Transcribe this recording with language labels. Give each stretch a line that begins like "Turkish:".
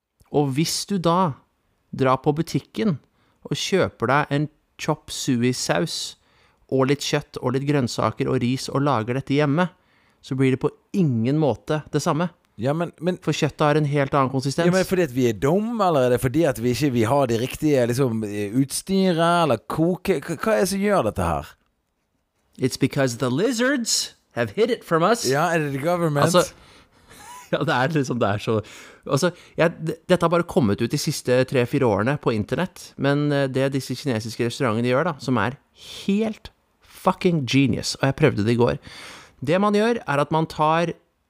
Norwegian: Og hvis du da drar på butikken og kjøper deg en chop suey saus, og litt kjøtt, og litt grønnsaker og ris, og lager dette hjemme, så blir det på ingen måte det samme. Ja, men, for kjøttet har en helt annen konsistens. Ja, men fordi at vi er dumme, eller er det fordi at vi ikke har de riktige liksom, utstyret, eller koke? Hva er det som gjør dette her?
English: It's because the lizards have hid it from us.
Norwegian: Ja, er det
English: the government?
Norwegian: Altså, ja, det er liksom, det er så... Altså, ja, dette har bare kommet ut de siste 3-4 årene på internett, men det disse kinesiske restaurantene gjør da, som er helt fucking genius, og jeg prøvde det i går. Det man gjør er at man tar...